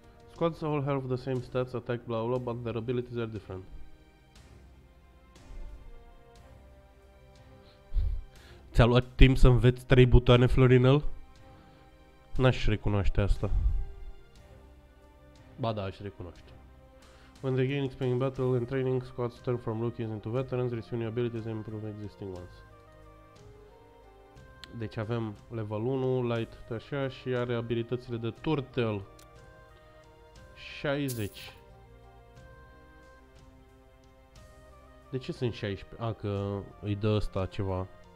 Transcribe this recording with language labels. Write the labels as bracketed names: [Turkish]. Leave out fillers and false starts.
[English] Squads all have the same stats, attack, blah, blah, but their abilities are different. [Romanian] Ți-a luat timp să înveți 3 butoane, Florinel? N-aș recunoaște asta. Ba da, aș recunoaște. [English] When they gain XP in battle and training, squads turn from rookies into veterans, receive new abilities and improve existing ones. [Romanian] Deci avem level 1, light, așa, și are abilitățile de turtle. 60. De ce sunt 16? A, că îi dă ăsta ceva.